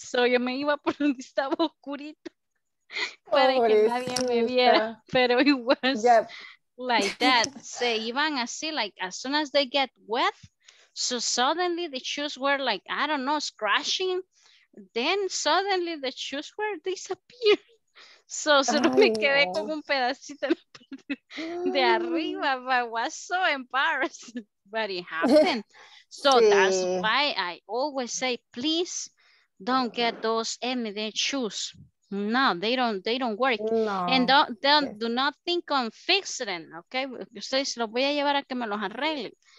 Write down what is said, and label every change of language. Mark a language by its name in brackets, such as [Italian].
[Spanish] So yo me iba por donde estaba oscurito para que nadie me viera. [English] Pero it was like that. [Spanish] Se iban así, [English] like as soon as they get wet, so suddenly the shoes were like, I don't know, scratching. Then suddenly the shoes were disappearing. So [Spanish] solo me quedé con un pedacito de arriba, [English] but I was so embarrassed, but it happened. So that's why I always say, please don't get those MDA shoes. No, they don't work. No. And do not think on fixing them, okay? [Spanish] Ustedes los voy a llevar a que me los arreglen.